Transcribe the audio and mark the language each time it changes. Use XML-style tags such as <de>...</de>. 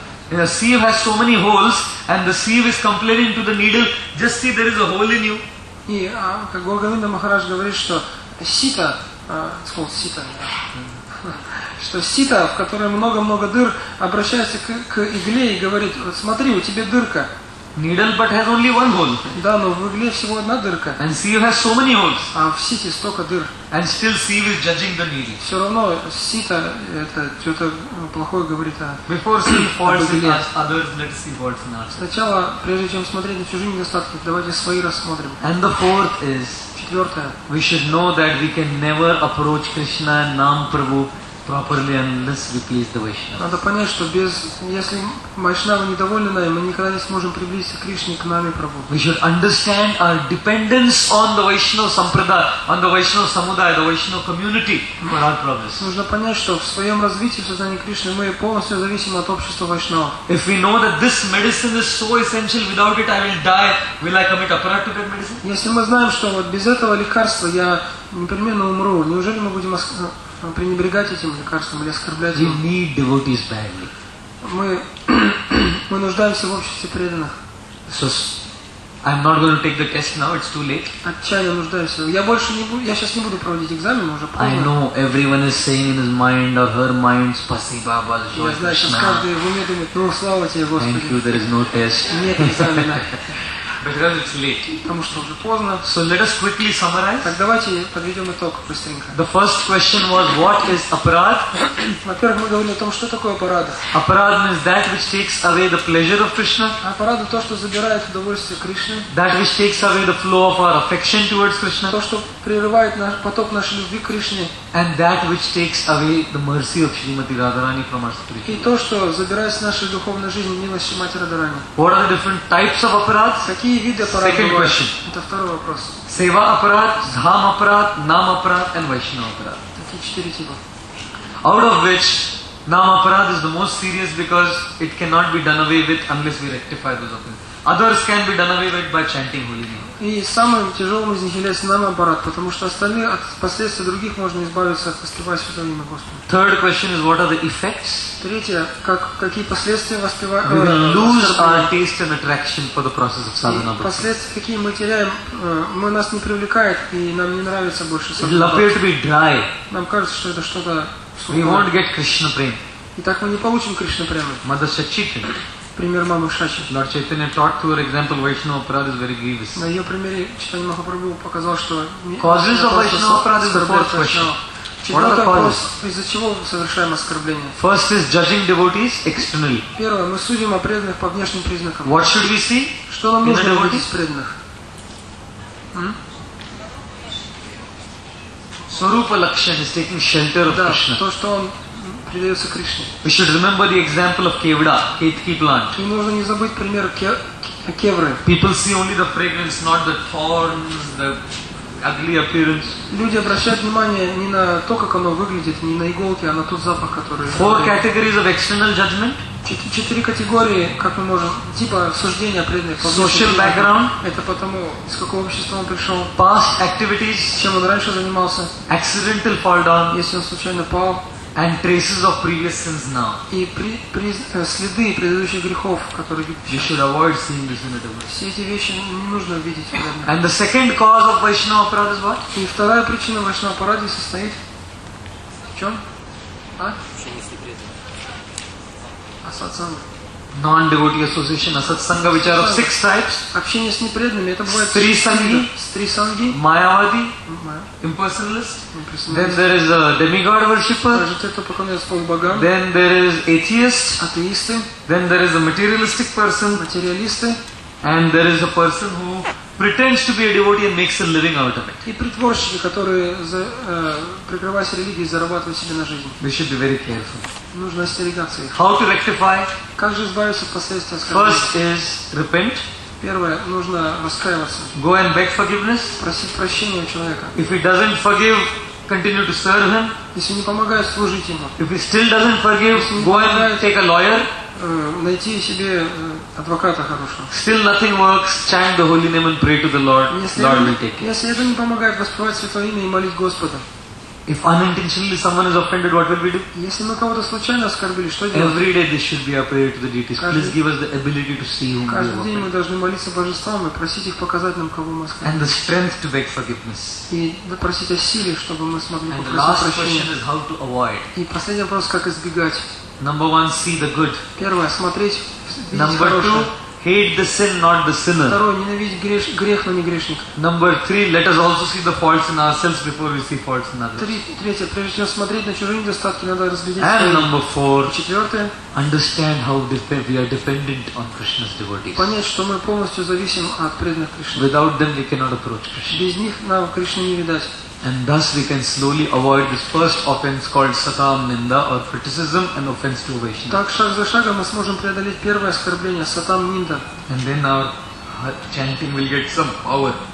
<en>In a sieve has so many holes, and the sieve is complaining to the needle. Just see, there is a hole in you.</en> <ru>И как Гуру Говинда Махарадж говорит, что сито, что сито, в которое много-много дыр, обращается к игле и говорит: смотри, у тебя дырка.</ru> <en>Needle, but has only one hole.</en> <ru>Да, но в игле всего одна дырка.</ru> <en>And sieve has so many holes.</en> <ru>А в сите столько дыр.</ru> <en>And still sieve is judging the needle.</en> <ru>Все равно сито это что-то плохое говорит о.</ru> <en>Before seeing faults in us, others let us see faults in us.</en> <ru>Сначала, прежде чем смотреть на чужие недостатки, давайте свои рассмотрим.</ru> <en>And the fourth is.</en> <ru>Четвертое.</ru> <en>We should know that we can never approach Krishna and Nam Prabhu properly unless we please the Vaishnava.</en> <ru>Надо понять, что без, если Вайшнава недовольны нами, мы никогда не сможем приблизиться к Кришне, к нами, Прабху.</ru> <en>We should understand our dependence on the Vaishnava Sampradaya, on the Vaishnava Samudaya, the Vaishnava community for our progress.</en> <ru>Нужно понять, что в своем развитии, в сознании Кришны, мы полностью зависим от общества Вайшнава.</ru> <en>If we know that this medicine is so essential, without it I will die, will I commit aparat to that medicine?</en> <ru>Если мы знаем, что вот без этого лекарства я непременно умру, неужели мы будем пренебрегать этим лекарством или оскорблять его?</ru> <en>We need devotees badly.</en> <ru>Мы нуждаемся в обществе преданных.</ru> <en>So, I'm not going to take the test now, it's too late.</en> <ru>Отчаянно нуждаемся. Я сейчас не буду проводить экзамен, уже поздно.</ru> <en>I know everyone is saying in his mind or her mind,</en> <ru>спасибо, Бхагавад Гита. Я знаю, сейчас каждый в уме думает, ну слава тебе, Господи.</ru> <en>Thank you, there is no test.</en> <ru>Нет экзамена.</ru> <en>because it's late.</en> <ru>Потому что уже поздно.</ru> <en>So let us quickly summarize.</en> <ru>Так давайте подведем итог быстренько.</ru> <en>The first question was, what is aparad?</en> <ru>Во-первых, мы говорили о том, что такое апарада.</ru> <en>Aparad is that which takes away the pleasure of Krishna.</en> <ru>Апарада то, что забирает удовольствие Кришны.</ru> <en>That which takes away the flow of our affection towards Krishna.</en> <ru>То, что прерывает наш поток нашей любви к Кришне.</ru> <en>And that which takes away the mercy of Shrimati Radharani from our spirit.</en> <ru>И то, что забирает с нашей духовной жизни милость Шримати Радхарани.</ru> <en>What are the different types of aparad?</en> <ru>Какие виды аппарат?</ru> <en>Second question.</en> <ru>Это второй вопрос. Сева аппарат, дхам аппарат, нам аппарат и вайшнава аппарат. Такие четыре типа.</ru> <en>Out of which нам аппарат is the most serious because it cannot be done away with unless we rectify those offenses. Others can be done away with by chanting holy name.</en> <ru>И самым тяжелым из них является нам аппарат, потому что остальные от последствий других можно избавиться, воспевая святое имя Господа.</ru> <en>Third question is, what are the effects?</en> <ru>Третье, какие последствия воспевания?</ru> <en>We will lose our taste and attraction for the process of sadhana.</en> <ru>Последствия, какие мы теряем, мы нас не привлекает и нам не нравится больше садхана.</ru> <en>It'll appear to be dry.</en> <ru>Нам кажется, что это что-то сухое.</ru> <en>We won't get Krishna prema.</en> <ru>И так мы не получим Кришна прему.</ru> <en>Mother Shachita.</en> <ru>Пример мамы Шачи.</ru> <en>Lord Chaitanya taught through her example Vaishnava Parada is very grievous.</en> <ru>На ее примере Читание Махапрабху показал, что</ru> <en>causes of Vaishnava Parada is the fourth question. What are the causes?</en> <ru>Из-за чего совершаем оскорбление?</ru> <en>First is judging devotees externally.</en> <ru>Первое, мы судим о преданных по внешним признакам.</ru> <en>What should we see?</en> <ru>Что нам нужно видеть из преданных?</ru> <en>Сварупа Лакшан is taking shelter of Krishna.</en> <ru>То, что он предается Кришне.</ru> <en>We should remember the example of Kevda, Ketki plant.</en> <ru>И нужно не забыть пример кевры.</ru> <en>People see only the fragrance, not the thorns, the ugly appearance.</en> <ru>Люди обращают внимание не на то, как оно выглядит, не на иголки, а на тот запах, который...</ru> <en>Four categories of external judgment.</en> <ru>Четыре категории, как мы можем, типа суждения преданных.</ru> <en>Social background.</en> <ru>Это потому, из какого общества он пришел.</ru> <en>Past activities.</en> <ru>Чем он раньше занимался.</ru> <en>Accidental fall down.</en> <ru>Если он случайно пал.</ru> <en>And traces of previous sins now.</en> <ru>И следы предыдущих грехов, которые видят.</ru> <en>You should avoid seeing this in the devotee.</en> <ru>Все эти вещи не нужно видеть.</ru> <en>And the second cause of Vaishnava Parada is what?</en> <ru>И вторая причина Vaishnava Parada состоит в чем? А? Асатсанга.</ru> <en>Non-devotee association, асатсанга, which are of six types.</en> <ru>Общение с непреданными, это бывает. Стри санги. Майавади. Impersonalist.</ru> <en>Then there is a demigod worshipper. Then there is atheist.</en> <ru>Атеисты.</ru> <en>Then there is a materialistic person.</en> <ru>Материалисты.</ru> <en>And there is a person who pretends to be a devotee and makes a living out of it.</en> <ru>И притворщики, которые прикрываясь религией, зарабатывают себе на жизнь.</ru> <en>We should be very careful.</en> <ru>Нужно остерегаться их.</ru> <en>How to rectify?</en> <ru>Как же избавиться от последствий оскорбления?</ru> <en>First is repent.</en> <ru>Первое, нужно раскаиваться.</ru> <en>Go and beg forgiveness.</en> <ru>Просить прощения у человека.</ru> <en>If he doesn't forgive, continue to serve him.</en> <ru>Если не помогает, служить ему.</ru> <en>If he still doesn't forgive, go and take a lawyer.</en> <ru>Найти себе адвоката хорошего.</ru> <en>Still nothing works, chant the holy name and pray to the Lord. Lord will take it.</en> <ru>Если это не помогает, воспевать святое имя и молить Господа.</ru> <en>If unintentionally someone is offended, what will we do?</en> <ru>Если мы кого-то случайно оскорбили, что делать?</ru> <en>Every day this should be a prayer to the deities. Please give us the ability to see whom we offend.</en> <ru>Каждый день мы должны молиться божествам и просить их показать нам, кого мы оскорбили.</ru> <en>And the strength to beg forgiveness.</en> <ru>И просить о силе, чтобы мы смогли попросить</ru> <en>And the last question is how to avoid.</en> <ru>И последний вопрос, как избегать.</ru> <en>Number one, see the good.</en> <ru>Первое, смотреть, видеть хорошее.</ru> <en>Number two, hate the sin, not the sinner.</en> <ru>Второе, ненавидеть грех, но не грешник.</ru> <en>Number three, let us also see the faults in ourselves before we see faults in others.</en> <ru>Третье, прежде чем смотреть на чужие недостатки, надо разглядеть.</ru> <en>And number four,</en> <ru>четвертое,</ru> <en>understand how we are dependent on Krishna's devotees.</en> <ru>Понять, что мы полностью зависим от преданных Кришны.</ru> <en>Without them, we cannot approach Krishna.</en> <ru>Без них нам Кришну не видать.</ru> <en>And thus we can slowly avoid this first offense called satam ninda or criticism and offense to Vaishnava.</en> <ru>Так шаг за шагом мы сможем преодолеть первое оскорбление сатам нинда.</ru> <en>And then our chanting will get some power.</en>